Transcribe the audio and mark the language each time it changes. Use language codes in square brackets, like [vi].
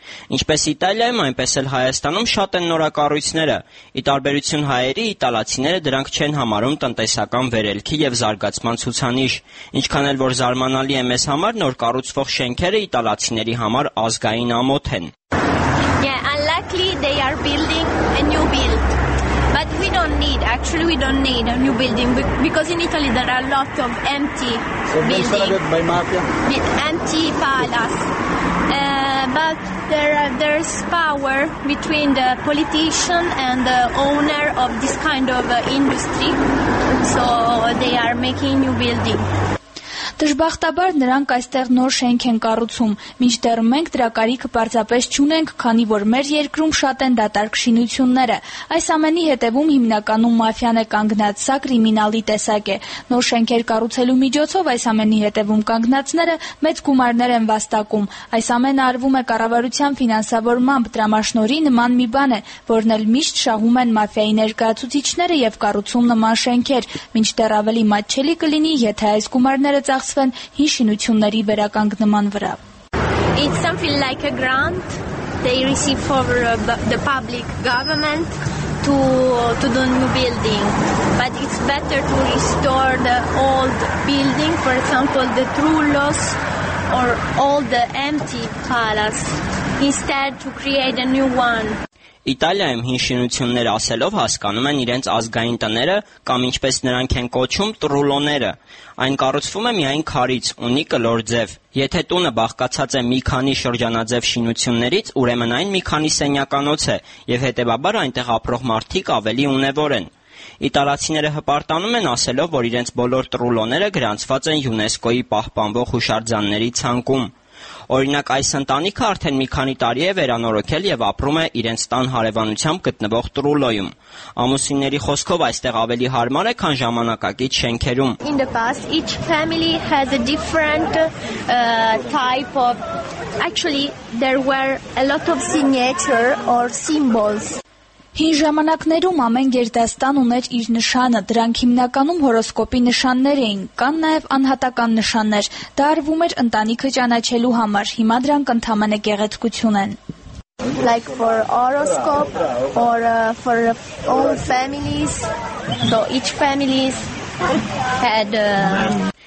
[hy] Ինչպես Իտալիայում, այնպես էլ Հայաստանում շատ են նորակառույցները։ Ի տարբերություն հայերի, իտալացիները դրանք չեն համարում տնտեսական վերելքի եւ զարգացման ցուցանիշ, ինչքան էլ որ զարմանալի է մեզ համար, նոր կառուցվող շենքերը իտալացիների համար ազգային ամոթ են։ [en] Yeah, unluckily they are building a new build. But we don't need, actually we don't need a new building because in Italy there are a lot of empty buildings. Empty palace. But there's power between the politician and the owner of this kind of industry. So they are making new building. [hy] Դժբախտաբար նրանք այստեղ նոր շենք են կառուցում, մինչդեռ մենք դրա կարիքը պարզապես չունենք, քանի որ մեր երկրում շատ են դատարկ շինությունները։ Այս ամենի հետևում հիմնականում մաֆիան է կանգնած, սա կրիմինալի տեսակ է։ Նոր շենքեր կառուցելու միջոցով այս ամենի հետևում կանգնածները մեծ գումարներ են վաստակում։ Այս ամենը արվում է կառավարության ֆինանսավորմամբ, դրամաշնորի նման մի բան է, որն էլ միշտ շահում են մաֆիայի ներկայացուցիչները եւ կառուցում նման շենքեր, մինչդեռ ավելի մատչելի կլինի, եթե այս գումարները ծախսվեն հին շինությունների վերականգնման վրա։ [en] It's something like a grant they receive from the public government to do new building, but it's better to restore the old building, for example the Trullos or all the empty palace instead to create a new one. [hy] Իտալիայում հինշինություններ ասելով հասկանում են իրենց ազգային տները կամ ինչպես նրանք են կոչում տրուլոները։ Այն կառուցվում է միայն քարից, ունի կլոր ձև։ Եթե տունը բաղկացած է մի քանի շրջանաձև շինություններից, ուրեմն այն մի քանի սենյականոց է, եւ հետեւաբար այնտեղ ապրող մարդիկ ավելի ունևոր են։ Իտալացիները հպարտանում են ասելով, որ իրենց բոլոր տրուլոները գրանցված են ՅՈՒՆԵՍԿՕ-ի պահպանվող հուշարձանների ցանկում։ Օրինակ այս ընտանիքը արդեն մի քանի տարի է վերանորոգել եւ ապրում է իրենց տան հարևանությամբ գտնվող Տրուլոյում։ Ամուսինների խոսքով այստեղ ավելի հարմար է, քան ժամանակակից շենքերում։ [en] In the past each family has a different type of actually there were a lot of signature or symbols. [hy] Հին ժամանակներում ամեն գերդաստան ուներ իր նշանը, դրանք հիմնականում հորոսկոպի նշաններ էին, կան նաև անհատական նշաններ, դա արվում էր ընտանիքը ճանաչելու համար, հիմա դրանք ընդհանրապես գեղեցկություն են. [en] Like for horoscope or for all families, so each family had...